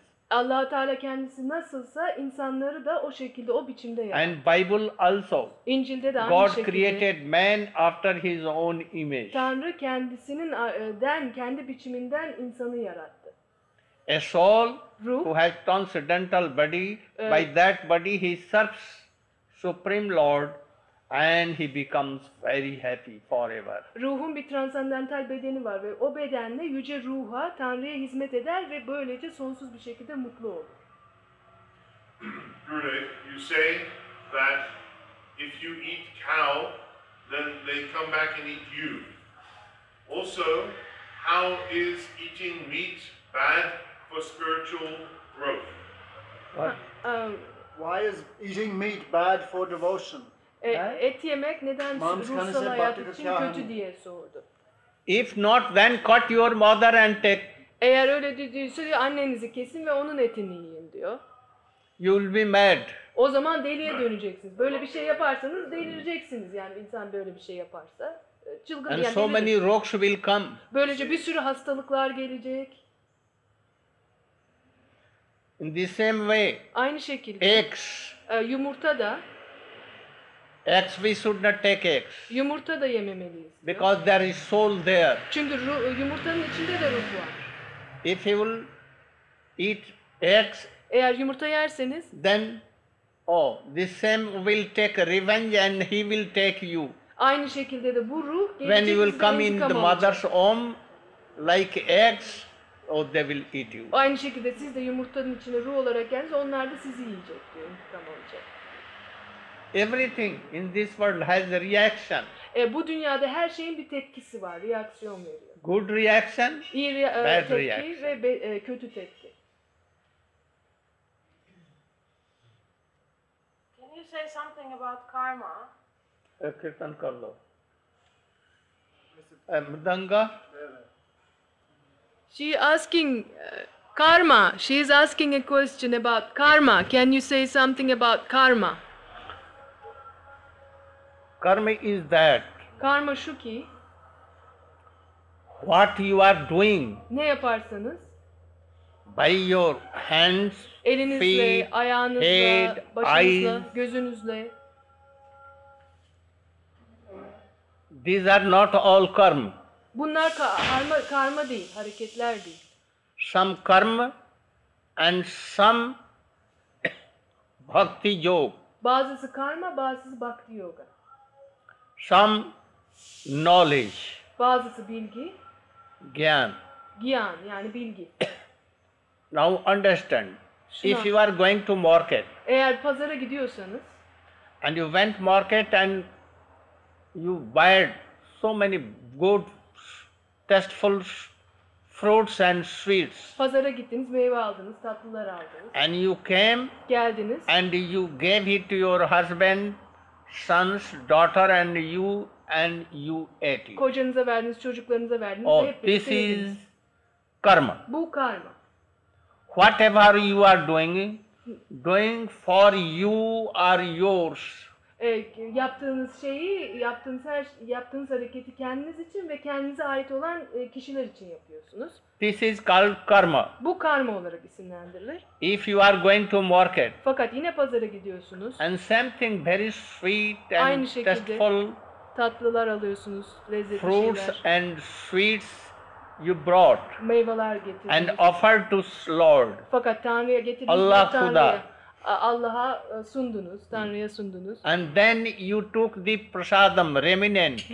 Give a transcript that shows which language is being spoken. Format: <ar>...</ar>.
<tr>Allah Teala kendisi nasılsa insanları da o şekilde o biçimde yaptı.</tr> <en>And Bible also.</en> <tr>İncil'de de aynı</tr> <en>God</en> <tr>şekilde.</tr> <en>God created man after his own image.</en> <tr>Tanrı kendisinden kendi biçiminden insanı yarattı.</tr> <en>A soul</en> <tr>ruh,</tr> <en>who has transcendental body by that body he serves Supreme Lord and he becomes very happy forever.</en> <tr>Ruhun bir transandental bedeni var ve o bedenle yüce ruha, Tanrı'ya hizmet eder ve böylece sonsuz bir şekilde mutlu olur.</tr> <en>Gurudev, you say that if you eat cow, then they come back and eat you. Also, how is eating meat bad for spiritual growth? Why is eating meat bad for devotion?</en> <tr>Et yemek neden ruhsal hayat için kötü diye sordu.</tr> <en>If not, then cut your mother and take.</en> <tr>Eğer öyle dediyse annenizi kesin ve onun etini yiyin diyor.</tr> <en>You'll be mad.</en> <tr>O zaman deliye döneceksiniz. Böyle bir şey yaparsanız delireceksiniz. Yani insan böyle bir şey yaparsa çılgın.</tr> <en>And</en> <tr>yani</tr> <en>so many rocks will come.</en> <tr>Böylece bir sürü hastalıklar gelecek.</tr> <en>In the same way.</en> <tr>Aynı şekilde.</tr> <en>Eggs.</en> <tr>Yumurta da.</tr> <en>Eggs, we should not take eggs.</en> <tr>Yumurta da yememeliyiz.</tr> <en>Because</en> <tr>yok?</tr> <en>There is soul there.</en> <tr>Çünkü yumurtanın içinde de ruh var.</tr> <en>If you will eat eggs.</en> <tr>Eğer yumurta yerseniz.</tr> <en>Then, oh, the same will take revenge and he will take you.</en> <tr>Aynı şekilde de bu ruh gelecek.</tr> <en>When you will come in the mother's womb like eggs, oh, they will eat you.</en> <tr>Aynı şekilde siz de yumurtanın içine ruh olarak geldiniz, onlar da sizi yiyecek diyor, intikam olacak.</tr> <en>Everything in this world has a reaction.</en> <tr>Bu dünyada her şeyin bir tepkisi var, reaksiyon veriyor.</tr> <en>Good reaction,</en> <tr>İyi</tr> <en>bad</en> <tr>tepki</tr> <en>reaction.</en> <tr>Ve kötü tepki.</tr> <en>Can you say something about karma?</en> <hi>Kirtan kar lo. Mridanga?</hi> <en>She asking karma. She is asking a question about karma. Can you say something about karma? Karma is that.</en> <tr>Karma şu ki.</tr> <en>What you are doing.</en> <tr>Ne yaparsanız.</tr> <en>By your hands,</en> <tr>elinizle,</tr> <en>feet,</en> <tr>ayağınızla,</tr> <en>head,</en> <tr>başınızla,</tr> <en>eyes,</en> <tr>gözünüzle.</tr> <en>These are not all karma.</en> <tr>Bunlar karma değil, hareketler değil.</tr> <en>Some karma and some bhakti yoga.</en> <tr>Bazısı karma, bazısı bhakti yoga.</tr> <en>Some knowledge.</en> <tr>Bazısı bilgi.</tr> <hi>Gyan.</hi> <tr>Gyan yani bilgi.</tr> <en>Now understand.</en> <tr>Şuna.</tr> <en>If you are going to market.</en> <tr>Eğer pazara gidiyorsanız.</tr> <en>And you went market and you buy so many good tasteful fruits and sweets.</en> <tr>Pazara gittiniz, meyve aldınız, tatlılar aldınız.</tr> <en>And you came.</en> <tr>Geldiniz.</tr> <en>And you gave it to your husband. Sons, daughter and you ate it.</en> <tr>Kocanıza verdiniz, çocuklarınıza verdiniz.</tr> <en>Oh, this is karma.</en> <tr>Bu karma.</tr> <en>Whatever you are doing for you or yours.</en> <tr>Yaptığınız şeyi, yaptığınız hareketi kendiniz için ve kendinize ait olan kişiler için yapıyorsunuz.</tr> <en>This is called karma.</en> <tr>Bu karma olarak isimlendirilir.</tr> <en>If you are going to market.</en> <tr>Fakat yine pazara gidiyorsunuz.</tr> <en>And something very sweet and</en> <tr>aynı şekilde</tr> <en>tasteful</en> <tr>tatlılar alıyorsunuz, lezzetli</tr> <en>fruits</en> <tr>şeyler.</tr> <en>Fruits and sweets you brought.</en> <tr>Meyveler getirdiniz.</tr> <en>And offered to Lord.</en> <tr>Fakat Tanrı'ya getirdiniz. Allah Kuda. Allah'a sundunuz, Tanrı'ya sundunuz.</tr> <en>And then you took the prasadam remnant.</en>